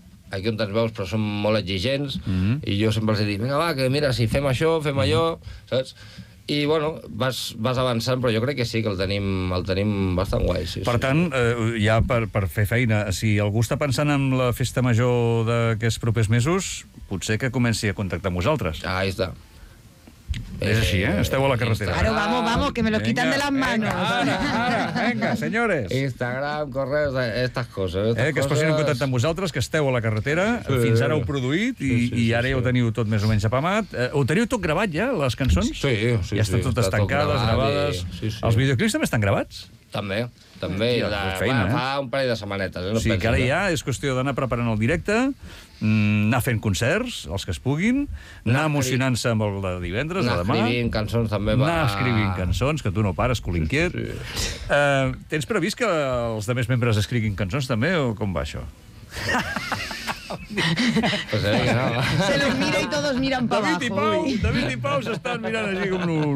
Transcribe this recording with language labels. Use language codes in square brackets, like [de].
[ca] aquí on te'ls veus, però són molt exigents, i jo sempre els he dit, vinga, va, que mira, si fem això, fem allò, saps? I, bueno, vas avançant, però jo crec que sí, que el tenim bastant guai. Sí, per sí, tant, ja per fer feina, si algú està pensant en la festa major d'aquests propers mesos, potser que comenci a contactar amb vosaltres. [es] Ah, ahí está. [ca] És així, eh? Esteu a la carretera. [es] Claro, vamos, vamos, que me lo quitan de las manos. Venga, señores. Instagram, correos, estas cosas. [ca] Que es posin en contacte amb vosaltres, que esteu a la carretera. Sí. Fins ara heu produït i ara ho teniu tot més o menys apamat. Ho teniu tot gravat, ja, les cançons? Sí, sí. Ja estan totes està tancades, tot gravades. Sí, sí. Els videoclips també estan gravats? També. Sí, feina, va, fa un parell de setmanetes. No sí, que ara ja és qüestió d'anar preparant el directe, anar fent concerts, els que es puguin, anar emocionant-se amb el de divendres, anar de demà... Anar escrivint cançons, també. Anar escrivint cançons, que tu no pares, colinquiet. Sí, sí. Tens previst que els altres membres escriguin cançons, també, o com va això? [es] Pues no. Se los mira y todos miran para abajo. David y Pau se están mirando así como...